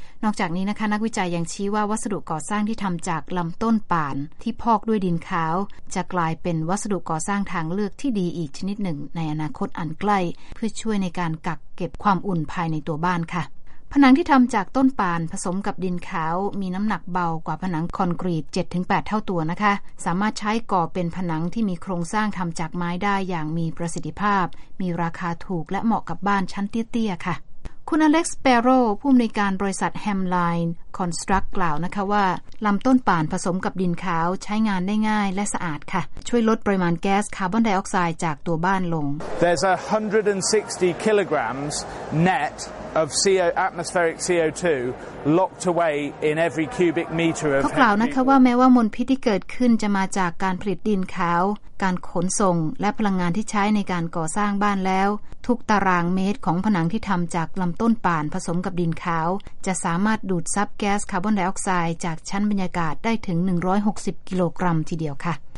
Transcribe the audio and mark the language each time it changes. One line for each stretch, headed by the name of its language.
Thai: นอกจากนี้นะคะนักวิจัยยังชี้ว่าวัสดุก่อสร้างที่ทำจากลำต้นป่านที่พอกด้วยดินขาวจะกลายเป็นวัสดุก่อสร้างทางเลือกที่ดีอีกชนิดหนึ่งในอนาคตอันใกล้เพื่อช่วยในการกักเก็บความอุ่นภายในตัวบ้านค่ะผนังที่ทำจากต้นป่านผสมกับดินขาวมีน้ำหนักเบากว่าผนังคอนกรีต 7-8 เท่าตัวนะคะสามารถใช้ก่อเป็นผนังที่มีโครงสร้างทำจากไม้ได้อย่างมีประสิทธิภาพมีราคาถูกและเหมาะกับบ้านชั้นเตี้ยๆค่ะ คุณอเล็กซ์เปโร่ผู้อำนวยการบริษัทแฮมไลน์คอนสตรักกล่าวนะคะว่าลำต้นป่านผสมกับดินขาวใช้งานได้ง่ายและสะอาดค่ะช่วยลดปริมาณแก๊สคาร์บอนไดออกไซด์จากตัวบ้านลง
English: There's 160 kilograms net of CO atmospheric CO2locked away in every cubic meter of
Thai: เขากล่าวนะคะว่าแม้ว่ามลพิษที่เกิดขึ้นจะมาจากการผลิตดินขาวการขนส่งและพลังงานที่ใช้ในการก่อสร้างบ้านแล้วทุกตารางเมตรของผนังที่ทำจากลำต้นป่านผสมกับดินขาวจะสามารถดูดซับแก๊สคาร์บอนไดออกไซด์จากชั้นบรรยากาศได้ถึง160กิโลกรัมทีเดียวค่ะ